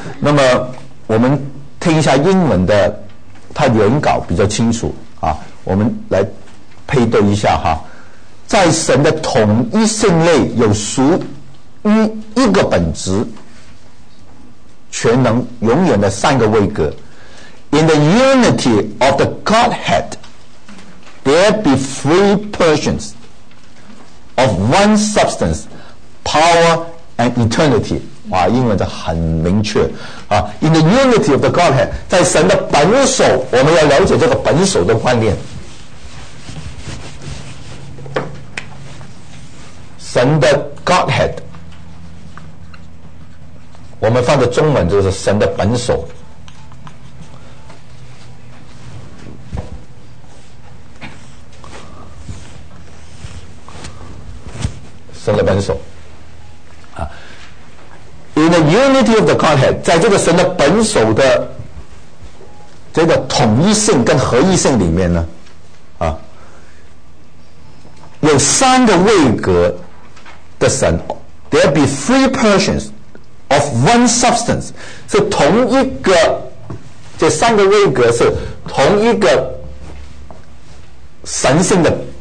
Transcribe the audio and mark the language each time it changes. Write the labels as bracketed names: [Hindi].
[Chinese] 那么我们听一下英文的，它原稿比较清楚啊。我们来配对一下哈。在神的统一性内有属于一个本质全能永远的三个位格。 [English] In the unity of the Godhead there be three persons of one substancePower and eternity. [Chinese] 哇，英文就很明确啊。 [English] In the unity of the Godhead, [Chinese] 在神的本首，我们要了解这个本首的观念。神的 Godhead, 我们放的中文就是神的本首。神的本首。 [English] In the unity of the Godhead, [Chinese] 在这个神的本首的这个统一性跟合一性里面呢，啊，有三个位格的神 ， [English] there be three persons of one substance， [Chinese] 是同一个，这三个位格是同一个神性的